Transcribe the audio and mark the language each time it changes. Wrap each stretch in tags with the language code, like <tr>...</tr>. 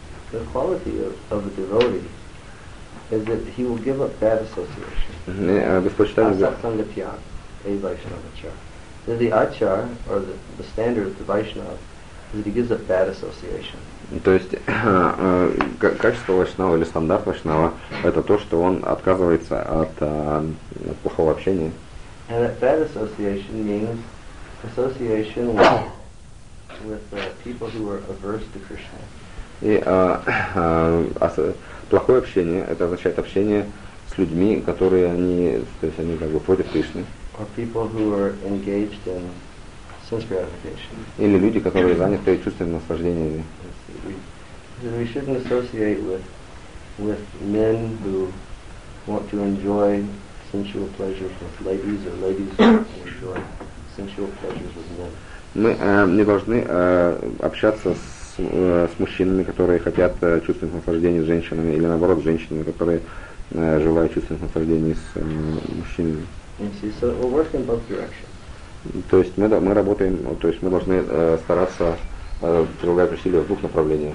<en>the quality of a devotee is that he will give up bad association. The achar, or the standard of the Vaishnava, is that he gives up bad association.</en> <ru>То есть качество Вайшнава или стандарт Вайшнава – это то, что он отказывается от плохого общения.</ru> <en>And that bad association means association with people who are averse to Krishna.</en> <ru>Плохое общение – это означает общение с людьми, которые они как бы против Кришны.</ru> <en>Or people who are engaged in sense gratification.</en> <ru>Или люди, которые заняты чувственным наслаждением.</ru> <en>We shouldn't associate with men who want to enjoy sensual pleasures with ladies, or ladies who want to enjoy sensual pleasures with men.</en> <ru>Мы не должны общаться с мужчинами, которые хотят чувственных наслаждений с женщинами, или наоборот, с женщинами, которые желают чувственных наслаждений с мужчинами.</ru> <en>So we're working both directions.</en> <ru>То есть мы работаем, то есть мы должны стараться прилагать усилия в двух направлениях.</ru>